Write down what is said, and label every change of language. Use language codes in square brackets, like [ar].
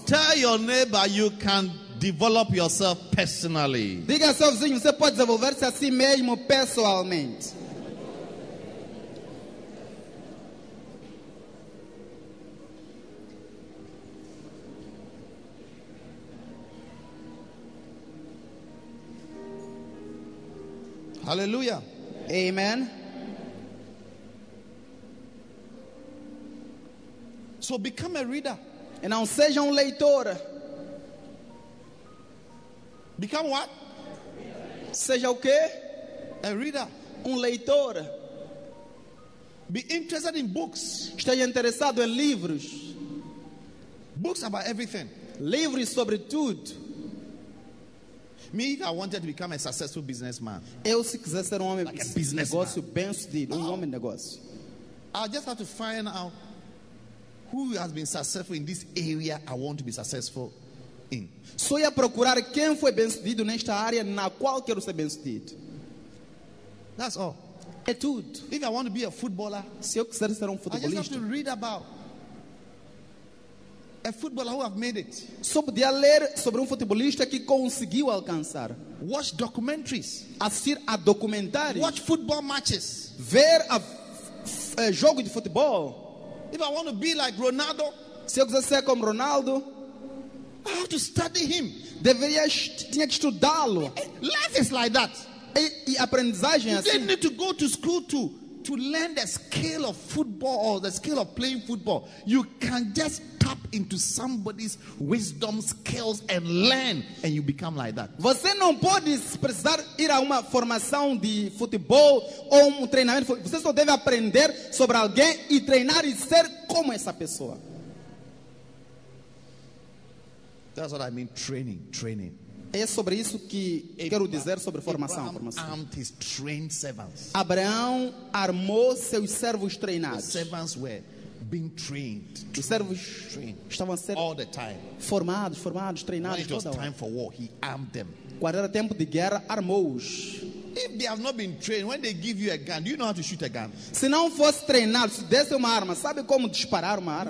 [en] Tell your neighbor you can develop yourself personally. [pt] Diga sozinho, você pode desenvolver-se a si mesmo pessoalmente. [en] Hallelujah. Amen. So become a reader. [pt] E não seja leitor. [en] Become what? [pt] Seja o quê? [en] A reader. [pt] Leitor. [en] Be interested in books. [pt] Esteja interessado em livros. [en] Books about everything. [pt] Livros sobre tudo. [en] Me, if I wanted to become a successful businessman. [pt] Eu se quiser ser homem, [en] like a businessman. [pt] Negócio bem sucedido, homem negócio. [en] I just have to find out who has been successful in this area I want to be successful in. [pt] Só ia procurar quem foi bem sucedido nesta área na qual quero ser bem sucedido. [en] That's all. [pt] É tudo. [en] If I want to be a footballer, [pt] se eu quiser ser futebolista, [en] I just have to read about a footballer who have made it. [pt] Sobre a ler sobre futebolista que conseguiu alcançar. [en] Watch documentaries. [pt] Assistir a documentários. [en] Watch football matches. [pt] Ver a jogo de futebol. [en] If I want to be like Ronaldo, [pt] se eu quiser ser como Ronaldo, [en] I have to study him. [pt] Deveria tinha que estudá-lo. [en] Life is like that. [pt] E aprendizagem [en] you [pt] assim. [en] You need to go to school to learn the skill of football or the skill of playing football. You can just tap into somebody's wisdom, skills, and learn, and you become like that. [pt] Você não pode precisar ir a uma formação de futebol ou treinamento. Você só deve aprender sobre alguém e treinar e ser como essa pessoa. [en] That's what I mean, training, training. [pt] É sobre isso que Abraham, quero dizer sobre formação. [en] Abraham armed his trained servants. [pt] Abraão armou seus servos treinados. [en] The servants were being trained. [pt] Os servos estavam sendo [en] all the time. [pt] Formados, treinados. [en] When it was time for war, he armed them. [pt] Quando era tempo de guerra, armou-os. [en] If they have not been trained, when they give you a gun, do you know how to shoot a gun? [pt] Se não fosse treinado, se desse uma arma, sabe como disparar uma arma?